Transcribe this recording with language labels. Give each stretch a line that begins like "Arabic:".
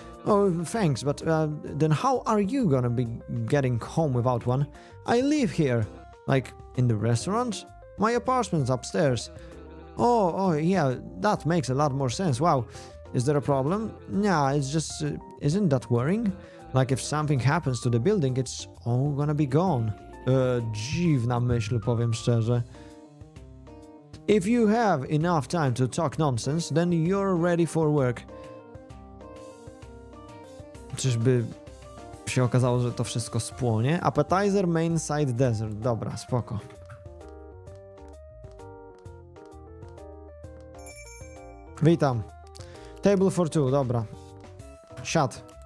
English: Oh, thanks, but then how are you gonna be getting home without one? I live here. Like, in the restaurant? My apartment's upstairs. Oh, yeah, that makes a lot more sense. Wow, is there a problem? Nah, it's just, isn't that worrying? Like, if something happens to the building, it's all gonna be gone.
Polish: Dziwna myśl, powiem szczerze.
English: If you have enough time to talk nonsense, then you're ready for work.
Polish: Czyżby się okazało, że to wszystko spłonie?
English: Appetizer, main side, dessert.
Polish: Dobra, spoko. Witam.
English: Table for two,
Polish: dobra. Siad.